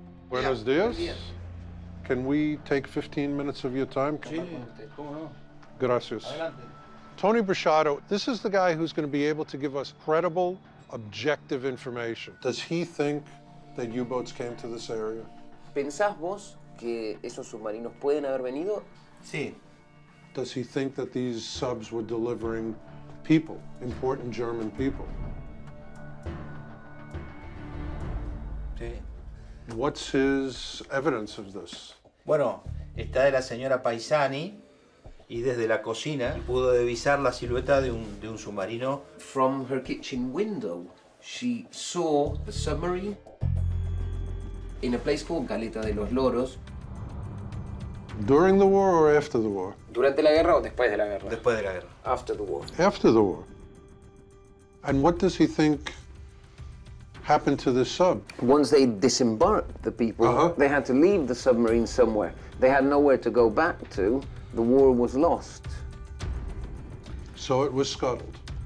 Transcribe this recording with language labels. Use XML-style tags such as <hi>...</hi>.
<es>Buenos dias.</es> <en>Can we take 15 minutes of your time?</en> <es>Sí. Gracias.</es> <en>Tony Brochado, this is the guy who's going to be able to give us credible, objective information. Does he think that U-boats came to this area?</en> <es>¿Pensás vos que esos submarinos pueden haber venido? Sí.</es> <en>Does he think that these subs were delivering people, important German people?</en> <es>Sí.</es> <en>What's his evidence of this?</en> <es>Bueno, está de la señora Paisani, y desde la cocina pudo divisar la silueta de un submarino.</es> <en>From her kitchen window, she saw the submarine in a place called Galeta de los Loros. During the war or after the war?</en> <es>Durante la guerra o después de la guerra? Después de la guerra.</es> <en>After the war. After the war. And what does he think happened to the sub? Once they disembarked the people, they had to leave the submarine somewhere. They had nowhere to go back to. The war was lost. So it was scuttled.</en>